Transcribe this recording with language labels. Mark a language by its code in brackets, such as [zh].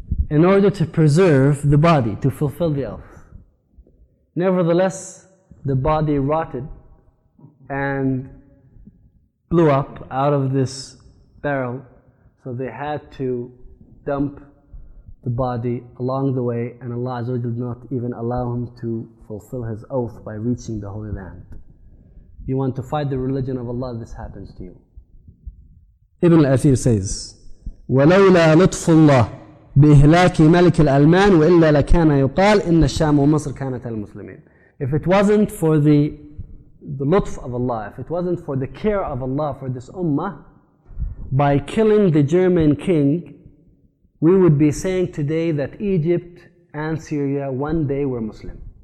[en] In order to preserve the body, to fulfill the oath. Nevertheless, the body rotted and blew up out of this barrel. So they had to dump the body along the way, and Allah Azza wa Jalla did not even allow him to fulfill his oath by reaching the Holy Land. You want to fight the religion of Allah, this happens to you. Ibn al-Athir says, [ar] وَلَوْلَا لُطْفُ اللَّهِ بِإِهْلَاكِ مَلِكِ الْأَلْمَانِ وَإِلَّا لَكَانَ يُقَالْ إِنَّ الشَّامُ وَمَصْرِ كَانَتَ الْمُسْلِمِينَ. [en] If it wasn't for the lutf of Allah, if it wasn't for the care of Allah for this ummah, by killing the German king, we would be saying today that Egypt and Syria one day were Muslim.